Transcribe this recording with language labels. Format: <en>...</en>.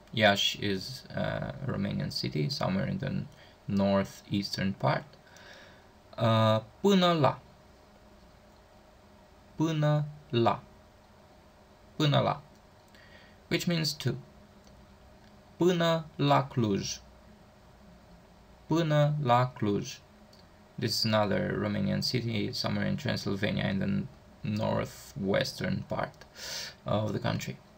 <en>Iași is a Romanian city somewhere in the northeastern part.</en> <ro>Până la, până la, până la,</ro> <en>which means to.</en> <ro>Până la Cluj, până la Cluj.</ro> <en>This is another Romanian city somewhere in Transylvania in the northwestern part of the country.</en>